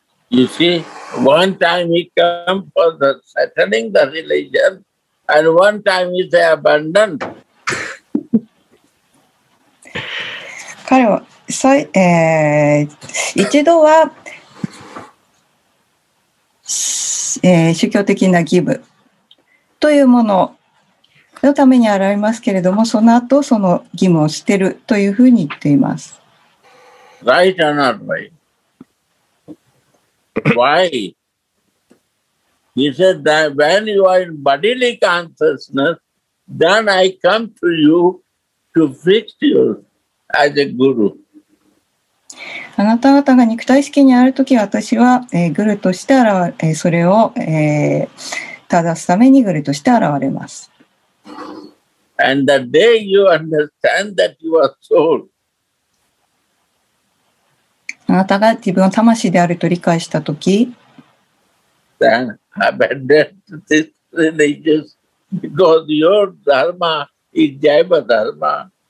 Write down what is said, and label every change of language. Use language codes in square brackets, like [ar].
[en] You see, one time he come for the settling the religion, and one time he say abandon. [ja] 彼は一度は、宗教的な義務というもののために現れますけれども、その後その義務を捨てるというふうに言っています。 [en] Right or not right? Why? He said that when you are in bodily consciousness, then I come to you to fix you as a guru. [ja] あなた方が肉体意識にあるとき、私は、グルとして現れ、それを、正すためにグルとして現れます。 [en] And the day you understand that you are soul. [ja] あなたが自分の魂であると理解したとき、 [en] Then abandon this religious because your dharma is Jaiva dharma.